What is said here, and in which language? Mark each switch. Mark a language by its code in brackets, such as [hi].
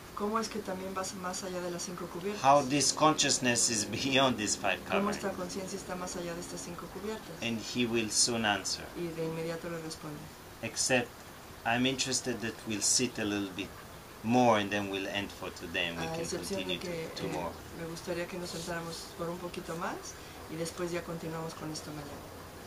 [es] ¿Cómo es que también vas más allá de las cinco cubiertas? [en] How this consciousness is beyond these five coverings. [es] ¿Cómo esta conciencia está más allá de estas cinco cubiertas? [en] And he will soon answer. [es] Y de inmediato le responde. [en] Except, I'm interested that we'll sit a little bit more and then we'll end for today and we can continue tomorrow. [es] Me gustaría que nos sentáramos por un poquito más y después ya continuamos con esto mañana.